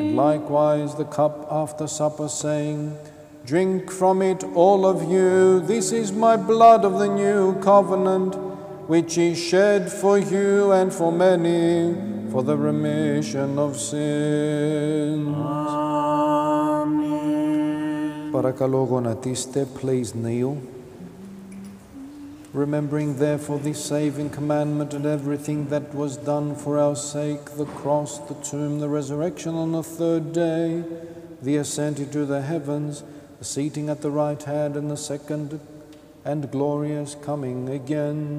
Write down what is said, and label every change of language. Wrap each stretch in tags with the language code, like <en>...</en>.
<en>And likewise the cup after supper, saying, Drink from it, all of you. This is my blood of the new covenant, which is shed for you and for many for the remission of sins. Amen.</en> <el>Παρακαλώ γονατίστε,</el> <en>please kneel. Remembering therefore this saving commandment and everything that was done for our sake, the cross, the tomb, the resurrection on the third day, the ascent into the heavens, the seating at the right hand, and the second and glorious coming again.</en>